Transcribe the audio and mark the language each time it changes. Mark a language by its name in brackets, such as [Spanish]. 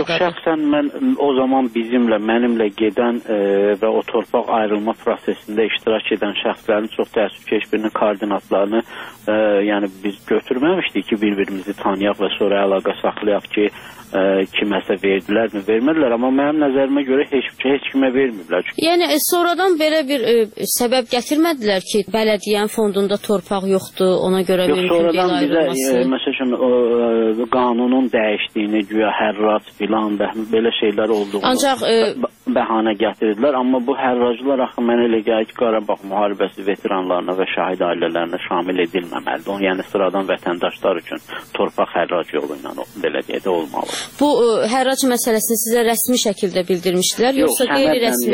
[Azerbaijani] Yox, şəxsən mən o zaman bizimlə, mənimlə gedən və o torpaq ayrılma prosesində iştirak edən şəxslərin çox təəssüf ki, heç birinin koordinatlarını yəni biz götürməmişdik ki, bir-birimizi tanıyaq və sonra əlaqə saxlayaq ki, kiməsə verdilərmi, vermədilər. Amma mənim nəzərimə görə [Turkish] göre hiç kime vermediler. Yani sonradan böyle bir sebep getirmediler ki belediyen fondunda torpağı yoktu, ona göre yok, sonradan bize mesela şimdi kanunun değiştiğini güya herrat filan böyle şeyler oldu. Ancak bahane getirdiler ama [Azerbaijani] bu herracılar axı mənə elə gəlir ki Qarabağ müharibəsi veteranlarına [Turkish] ve şahid ailelerine [Azerbaijani] şamil edilməməlidir. [Turkish] Yani sıradan [Azerbaijani] vətəndaşlar üçün torpaq herrac yoluyla belə deyə olmalı. Bu herrac məsələsini sizə rəsmi şəkildə bildirmişdilər yoxsa qeyri-rəsmi?